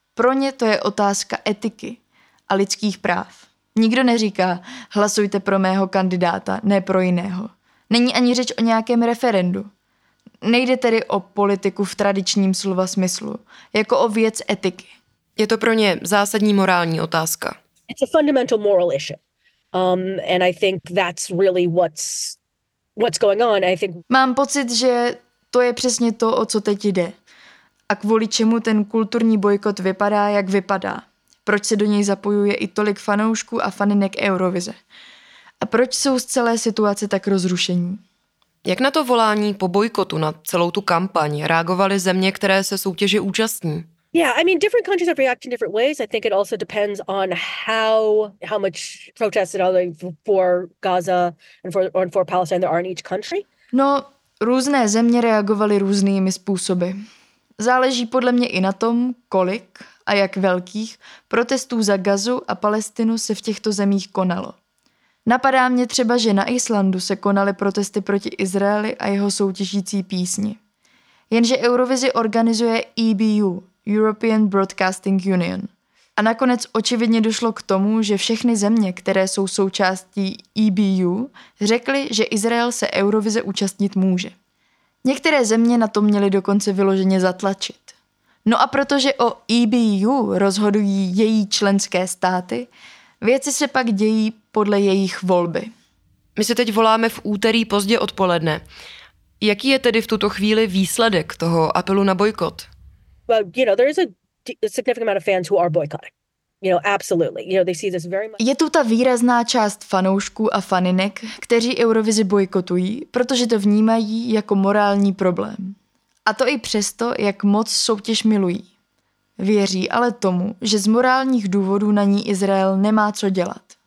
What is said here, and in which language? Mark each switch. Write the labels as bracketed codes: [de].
[cs] Pro ně to je otázka etiky a lidských práv. Nikdo neříká, hlasujte pro mého kandidáta, ne pro jiného. Není ani řeč o nějakém referendu. Nejde tedy o politiku v tradičním slova smyslu, jako o věc etiky. Je to pro ně zásadní morální otázka. [en] It's a fundamental moral issue. And I think that's really what's going on. I think... [cs] Mám pocit, že to je přesně to, o co teď jde. A kvůli čemu ten kulturní bojkot vypadá, jak vypadá. Proč se do něj zapojuje i tolik fanoušků a faninek Eurovize? A proč jsou z celé situace tak rozrušení? Jak na to volání po bojkotu, na celou tu kampaň, reagovaly země, které se soutěže účastní? [en] Yeah, I mean, different countries have reacted in different ways. I think it also depends on how much protests and all the for Gaza and for Palestine there are in each country. [cs] No, různé země reagovaly různými způsoby. Záleží podle mě i na tom, kolik a jak velkých protestů za Gazu a Palestinu se v těchto zemích konalo. Napadá mě třeba, že na Islandu se konaly protesty proti Izraeli a jeho soutěžící písni. Jenže Eurovizi organizuje EBU, European Broadcasting Union. A nakonec očividně došlo k tomu, že všechny země, které jsou součástí EBU, řekly, že Izrael se Eurovize účastnit může. Některé země na to měly dokonce vyloženě zatlačit. No a protože o EBU rozhodují její členské státy, věci se pak dějí podle jejich volby. My se teď voláme v úterý pozdě odpoledne. Jaký je tedy v tuto chvíli výsledek toho apelu na bojkot? [en] Well, you know, there is a significant amount of fans who are boycotting. You know, absolutely. You know, they see this very much. [cs] Je tu ta výrazná část fanoušků a faninek, kteří Eurovizi bojkotují, protože to vnímají jako morální problém. A to i přesto, jak moc soutěž milují. Věří ale tomu, že z morálních důvodů na ní Izrael nemá co dělat.